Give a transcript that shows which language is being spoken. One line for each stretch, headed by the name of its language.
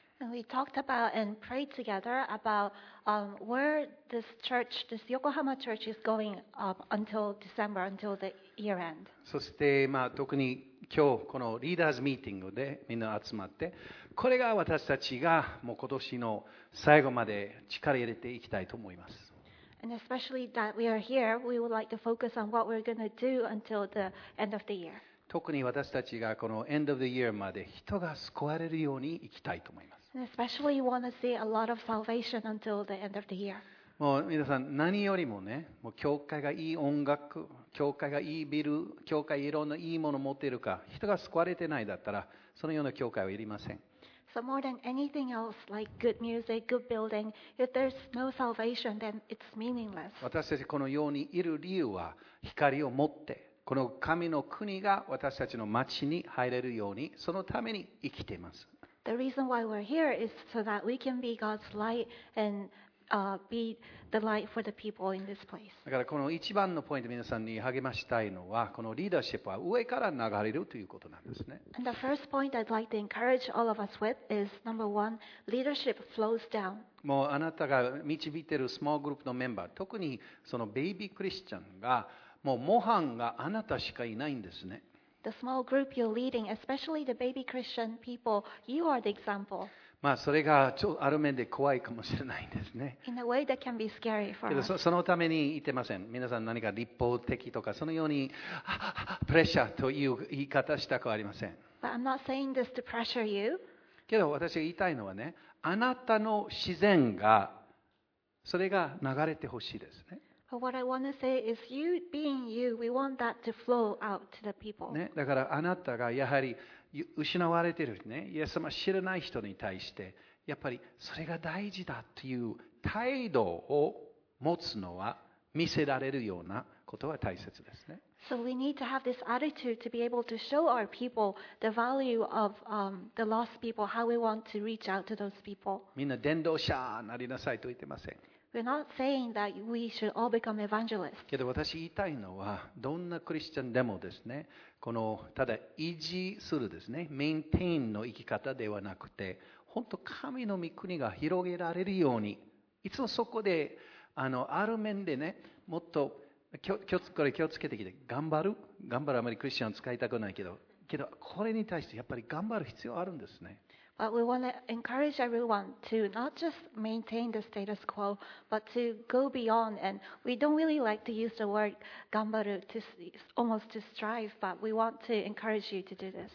English: And we talked about and prayed together about where this church, this Yokohama church is going until December, until the year end.
Japanese: そして、まあ、特に今日このリーダーズミーティングでみんな集まって、これが私たちがもう今年の最後まで力を入れていきたいと思います。
English: And especially that we are here, we would like to focus on what we're going to do until the end of the year.
Japanese: 特に私たちがこの
English: end of the year
Japanese: まで人が救われるように行きたいと思います。
English: And especially you want to see a lot of salvation until the end of the year.
Japanese: もう皆さん何よりもね、もう教会がいい音楽、教会がいいビル、教会いろんないいものを持っているか、人が救われてないだったら、そのような教会はいりません。
English: So more than anything else, like good music, good building, if there's no salvation, then it's meaningless.
Japanese: 私たちこの世にいる理由は、光を持って、この神の国が私たちの町に入れるように、そのために生きています。
English: The reason why we're here is so that we can be God's light and be the light for the people in this place.
Japanese: だからこの一番のポイント皆さんに励ましたいのは、このリーダーシップは上から流れるということなんですね。
English: And the first point I'd like to encourage all of us with is number one, leadership flows down.
Japanese: もうあなたが導いているスモールグループのメンバー、特にそのベイビークリスチャンが、もう模範があなたしかいないんですね。
English: The small group you're leading, especially the baby Christian people, you are the example.
Japanese: まあそれがちょっとある面で怖いかもしれないですね。
English: In a way that can be scary for us.
Japanese: そのために言ってません。皆さん何か立法的とかそのようにプレッシャーという言い方したくありません。
English: But I'm not saying this to pressure you.
Japanese: けど私が言いたいのはね、あなたの自然がそれが流れてほしいですね。
English: But what I want to say is, you being you, we want that to flow out to the people.
Japanese: ね、だからあなたがやはり失われているね、イエス様知らない人に対して、やっぱりそれが大事だという態度を持つのは見せられるようなことは大切ですね。
English: So we need to have this attitude to be able to show our people the value of the lost people, how we want to reach out to those people.
Japanese: みんな伝道者なりなさいと言ってません。
English: We're not saying that we should all become evangelists.
Japanese: けど私言いたいのは、どんなクリスチャンでもですね、このただ維持するですね、メインテインの生き方ではなくて、本当神の御国が広げられるように、いつもそこで ある面でね、もっと気をつけてきて、頑張る、あまりクリスチャンを使いたくないけど、これに対してやっぱり頑張る必要あるんですね。
English: But we want to encourage everyone to not just maintain the status quo, but to go beyond. And we don't really like to use the word "ganbaru" to almost to strive, but we want to encourage you to do this.